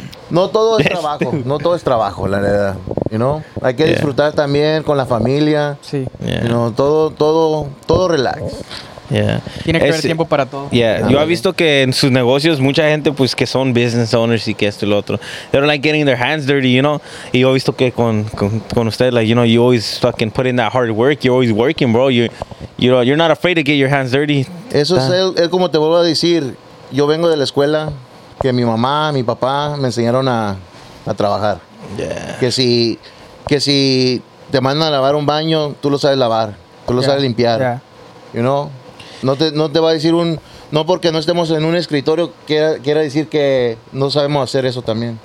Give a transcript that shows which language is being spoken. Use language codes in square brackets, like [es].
[es] No todo es trabajo. No todo es trabajo, la verdad. [en] You know? [es] Hay que disfrutar también con la familia. Sí. [en] Yeah. You know, [es] todo relax. [en] Yeah. [es] Tiene que haber tiempo para todo. [en] Yeah. [es] Yo he visto que en sus negocios mucha gente, pues, que son business owners y que esto y lo otro. [en] They don't like getting their hands dirty, you know. [es] Y yo he visto que con usted, [en] like, you know, you always fucking put in that hard work. You're always working, bro. You're not afraid to get your hands dirty. [es] Eso es él, como te vuelvo a decir. Yo vengo de la escuela que mi mamá, mi papá me enseñaron a trabajar. [en] Yeah. [es] Que si te mandan a lavar un baño, tú lo sabes lavar. Tú lo sabes limpiar. [en] Yeah. You know. [es] No te va a decir no porque no estemos en un escritorio quiera decir que no sabemos hacer eso también.